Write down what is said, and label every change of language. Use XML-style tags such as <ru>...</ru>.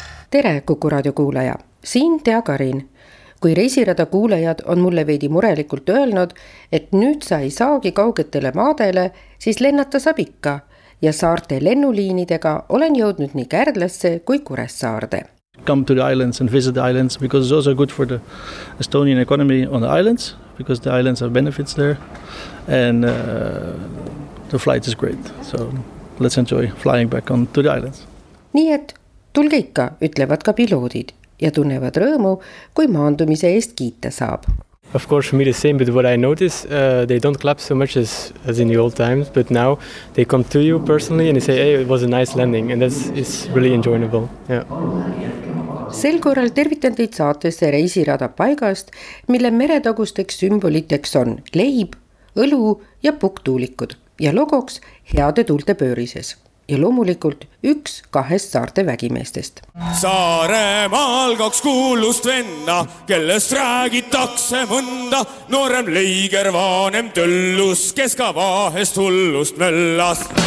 <et>Tere, Kuku Raadio kuulaja! Siin Tea Karin. Kui reisirada kuulajad on mulle veidi murelikult öelnud, et nüüd sa ei saagi kaugetele maadele, siis lennata saab ikka. Ja saarte lennuliinidega olen jõudnud nii Kärdlasse kui Kuressaarde.</et> <en>Come to the islands and visit the islands because it's also good for the Estonian economy on the islands because the islands have benefits there and the flight is great. So let's enjoy flying back on to the islands. Nii et tulge ikka, ütlevad ka piloodid ja tunnevad rõõmu, kui maandumise eest kiita saab. Of course, for me the same, but what I notice, they don't clap so much as in the old times, but now they come to you personally and they say, hey, it was a nice landing, and that's is really enjoyable. Yeah.</en> <et>Sel korral tervitan teid saatesse reisirada paigast, mille meretagusteks sümboliteks on leib, õlu ja puktuulikud ja logoks heade tuulte pöörises. Ja loomulikult üks kahest saarte vägimeestest. Saaremaal kaks kuulust venna, kellest räägitakse mõnda, noorem leiger vanem tõllus, kes ka vahest hullust möllas.</et>